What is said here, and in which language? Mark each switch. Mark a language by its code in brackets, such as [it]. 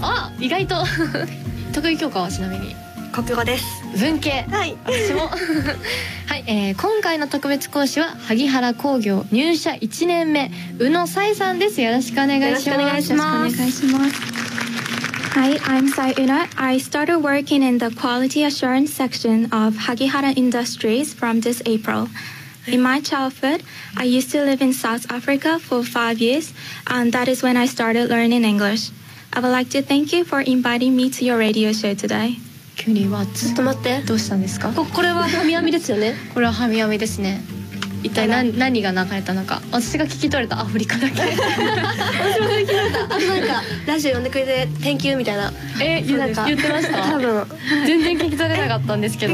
[ja] あ、意外と得意教科はちなみに国語です。文系、はい、私も、はい、今回の特別講師は萩原工業入社1年目宇野彩さんです。よろしくお願いします。よろしくお願いします。 [en] Hi, I'm Sai Una. I started working in the quality assurance section of Hagihara Industries from this April. In my childhood, I used to live in South Africa for 5 years, and that is when I started learning English. I would like to thank you for inviting me to your radio show today. [ja] キュリーはちょっと待って、どうしたんですか？これはハミアミですよね。これはハミアミですね。一体 何が流れたのか、私が聞き取れたアフリカだけ私も聞き取れた。あとなんかラジオ呼んでくれて [en] Thank you [ja] みたいな、なんか言ってました多分、はい、全然聞き取れなかったんですけど、